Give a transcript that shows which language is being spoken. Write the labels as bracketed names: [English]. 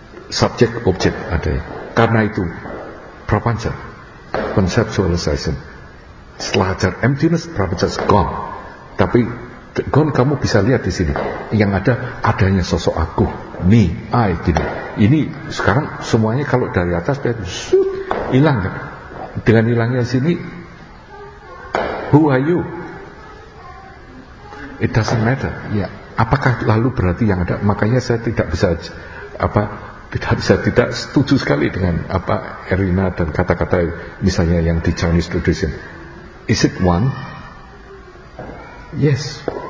[Indonesian] Subject, object ada. Karena itu, prapanca, conceptualization, selajar emptiness, [English] prapanca is gone. [Indonesian] Tapi gone, kamu bisa lihat di sini. Yang ada, adanya sosok aku, me, I, gini. Ini sekarang semuanya kalau dari atas dia hilang. Dengan hilangnya sini, [English] who are you? It doesn't matter. Ya. Yeah. [Indonesian] Apakah lalu berarti yang ada? Makanya saya tidak bisa apa, tidak bisa tidak setuju sekali dengan apa Erina dan kata-kata misalnya yang di Chinese tradition. [English] Is it one? Yes.